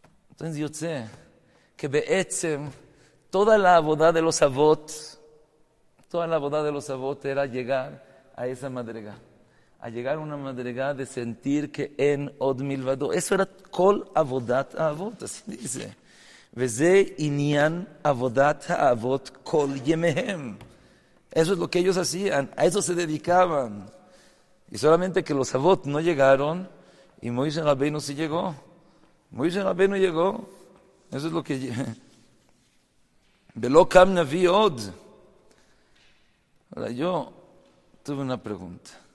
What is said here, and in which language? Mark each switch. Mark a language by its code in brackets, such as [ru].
[es] Entonces yo sé que Be'etzen, toda la avodá de los Avot, toda la avodá de los Avot era llegar a esa madriga, a llegar a una madriga de sentir que [he] en od milvado. [es] Eso era [he] kol avodat avot, [es] así dice. [he] וזה עניין עבודת האבות כל ימיהם. [es] Eso es lo que ellos hacían, a eso se dedicaban. Y solamente que los avot no llegaron, y Moisés Rabbeinu sí llegó. Moisés Rabbeinu llegó. Eso es lo que... [he] ולא קם נביא עוד. [es] Ahora yo tuve una pregunta.